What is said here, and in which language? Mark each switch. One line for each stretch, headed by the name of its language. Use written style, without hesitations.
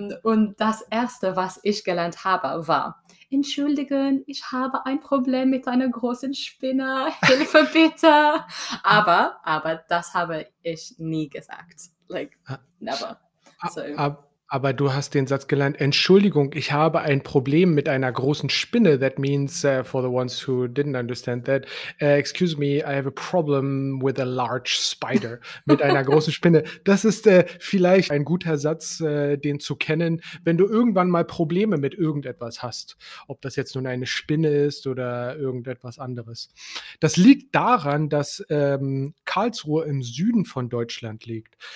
German: Und das Erste, was ich gelernt habe, war: Entschuldigen, ich habe ein Problem mit einer großen Spinne. Hilfe bitte. Aber das habe ich nie gesagt.
English: Like, never. So.
German: Aber du hast den Satz gelernt. Entschuldigung, ich habe ein Problem mit einer großen Spinne.
English: That means, for the ones who didn't understand that, excuse me, I have a problem with a large spider.
German: Mit einer großen Spinne. Das ist vielleicht ein guter Satz, den zu kennen, wenn du irgendwann mal Probleme mit irgendetwas hast. Ob das jetzt nun eine Spinne ist oder irgendetwas anderes. Das liegt daran, dass Karlsruhe im Süden von Deutschland liegt.